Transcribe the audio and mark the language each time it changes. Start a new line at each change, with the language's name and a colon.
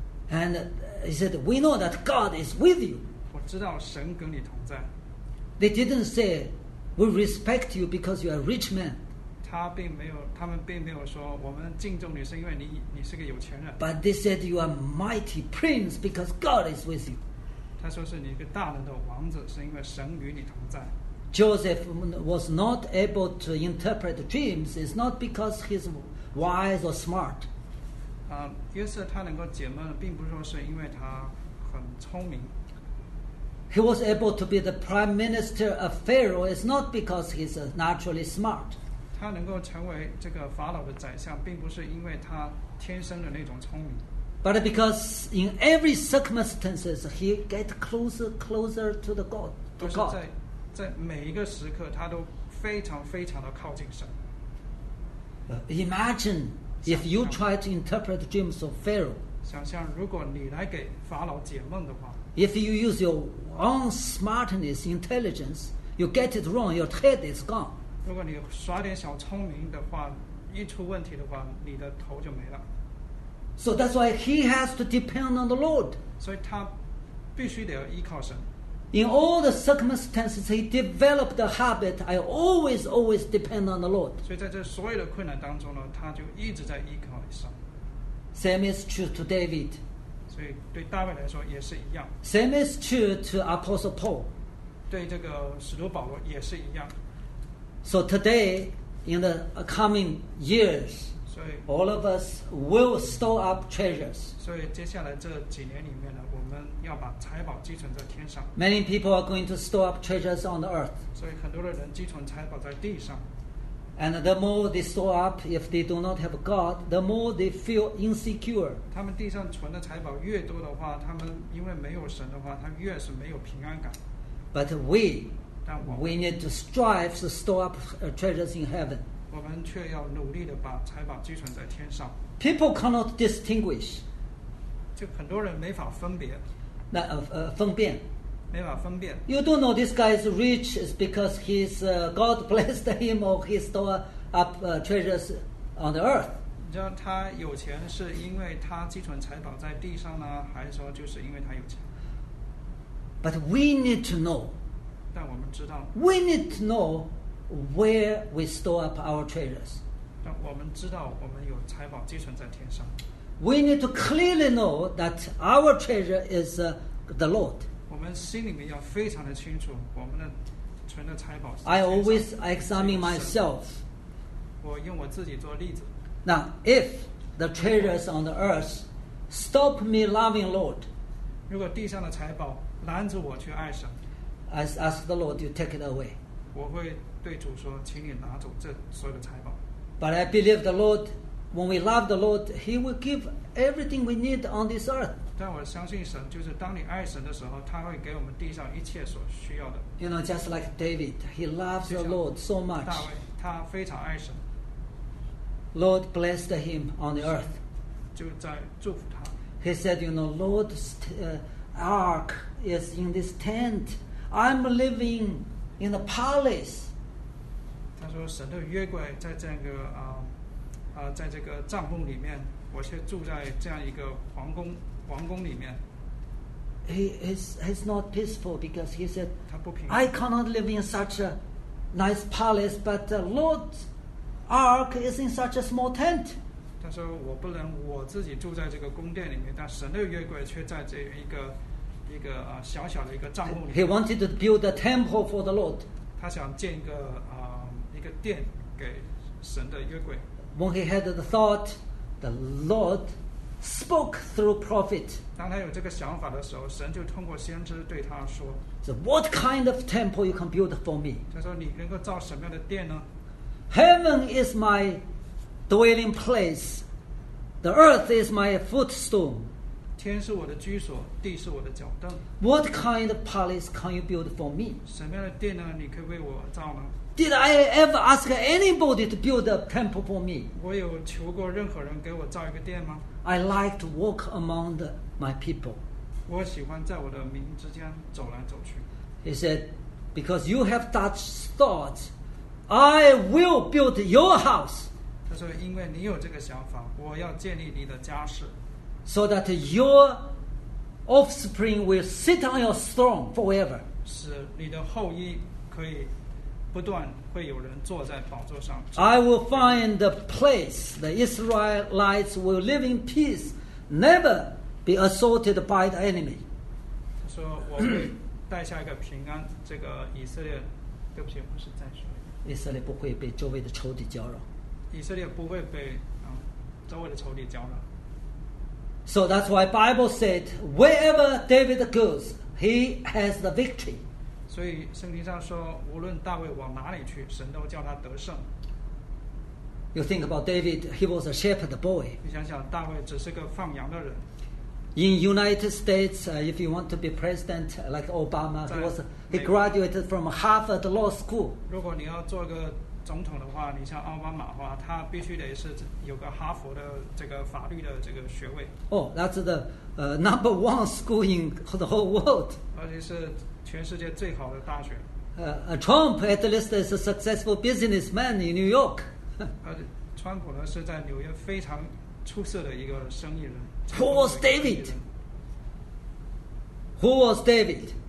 English: And he said, "We know that God is with you."
Chinese: 我知道神跟你同在。
English: They didn't say, "We respect you because you are a rich man."
Chinese: 他并没有，他们并没有说我们敬重你是因为你是个有钱人。
English: But they said, "You are a mighty prince because God is with you."
Chinese: 他说是你一个大能的王子，是因为神与你同在。
English: Joseph was not able to interpret dreams. It's not because he's wise or smart.
Chinese: 约瑟他能够解梦，并不是说是因为他很聪明。
English: He was able to be the prime minister of Pharaoh. It's not because he's naturally smart.
Chinese: 他能够成为这个法老的宰相，并不是因为他天生的那种聪明。
English: But because in every circumstances, he get closer to the God.
Chinese: 都是在。在每一个时刻他都非常非常的靠近神。
English: Imagine if you try to interpret the dreams of Pharaoh.
Chinese: 想象如果你来给法老解梦的话。
English: If you use your own smartness, intelligence, you get it wrong, your head is gone.
Chinese: 如果你耍点小聪明的话，一出问题的话，你的头就没了。
English: So that's why he has to depend on the Lord.
Chinese: 所以他必须得依靠神。
English: In all the circumstances, he developed the habit, I always, always depend on the Lord.
Chinese: 所以在这所有的困难当中呢，他就一直在依靠神。
English: Same is true to David.
Chinese: 所以对大卫来说也是一样。
English: Same is true to Apostle Paul.
Chinese: 对这个使徒保罗也是一样。
English: So today, in the coming years, all of us will store up treasures.
Chinese: 所以接下来这几年里面呢，我们要把财宝积存在天上。
English: Many people are going to store up treasures on the earth.
Chinese: 所以很多的人积存财宝在地上。
English: And the more they store up, if they do not have God, the more they feel insecure.
Chinese: 他们地上存的财宝越多的话，他们因为没有神的话，他越是没有平安感。
English: But we need to strive to store up treasures in heaven.
Chinese: 我们却要努力地把财宝积存在天上。
English: People cannot distinguish.
Chinese: 就很多人没法分别。分辨。没法分辨。
English: You don't know this guy is rich is because he's God blessed him or he stored up treasures on the earth.
Chinese: 你知道他有钱是因为他积存财宝在地上呢，还是说就是因为他有钱？
English: But we need to know.
Chinese: 但我们知道。
English: We need to know. Where we store up our treasures.
Chinese: 但我们知道我们有财宝积存在天上。
English: We need to clearly know that our treasure is the Lord.
Chinese: 我们心里面要非常的清楚我们的存的财宝。
English: I always examine myself.
Chinese: 我用我自己做例子。
English: Now, if the treasures on the earth stop me loving Lord,
Chinese: 如果地上的财宝拦着我去爱神，
English: I ask the Lord to take it away.
Chinese: 我会对主说，请你拿走这所有的财宝。
English: But I believe the Lord, when we love the Lord, He will give everything we need on this earth.
Chinese: 但我相信神，就是当你爱神的时候，他会给我们地上一切所需要的。
English: You know, just like David, he loves the Lord so much.
Chinese: 大卫他非常爱神。
English: Lord blessed him on the earth.
Chinese: 就在祝福他。
English: He said, "You know, Lord's ark is in this tent. I'm living in the palace."
Chinese: 他说神的约柜在这个在这个帐篷里面，我却住在这样一个皇宫里面。
English: He's not peaceful because he said,
Chinese: 他不平安。
English: I cannot live in such a nice palace, but the Lord's ark is in such a small tent.
Chinese: 他说我不能我自己住在这个宫殿里面，但神的约柜却在这一个小小的一个帐篷里面。
English: He wanted to build a temple for the Lord.
Chinese: 他想建一个一个殿给神的约柜。
English: When he had the thought, the Lord spoke through prophet.
Chinese: 当他有这个想法的时候，神就通过先知对他说。
English: So what kind of temple you can build for me?
Chinese: 他说你能够造什么样的殿呢？
English: Heaven is my dwelling place. The earth is my footstool.
Chinese: 天是我的居所，地是我的脚凳。
English: What kind of palace can you build for me?
Chinese: 什么样的殿呢？你可以为我造呢？
English: Did I ever ask anybody to build a temple for me?
Chinese: 我有求过任何人给我造一个殿吗？
English: I like to walk among my people.
Chinese: 我喜欢在我的民之间走来走去。
English: He said, because you have such thoughts, I will build your house.
Chinese: 他说因为你有这个想法，我要建立你的家室。
English: So that your offspring will sit on your throne forever.
Chinese: 使你的后裔可以不断会有人坐在宝座上。
English: I will find the place the Israelites will live in peace, never be assaulted by the enemy.
Chinese: 他说我会带下一个平安，这个以色列，对不起，我是暂时。以色列不会被周围的仇敌搅扰。以色列不会被周围的仇敌搅扰。
English: So that's why Bible said, wherever David goes, he has the victory.
Chinese: 所以圣经上说，无论大卫往哪里去，神都叫他得胜。
English: You think about David, he was a shepherd boy.
Chinese: 你想想，大卫只是个放羊的人。
English: In United States, if you want to be president like Obama, he graduated from Harvard Law School.
Chinese: 如果你要做个总统的话，你像奥巴马的话，他必须得是有个哈佛的这个法律的这个学位。
English: Oh, that's the number one school in the whole world.
Chinese: 而且是全世界最好的大学。
English: Trump at least is a successful businessman in New York.
Chinese: 川普呢是在纽约非常出色的一个生意人。
English: Who was David? Who was David?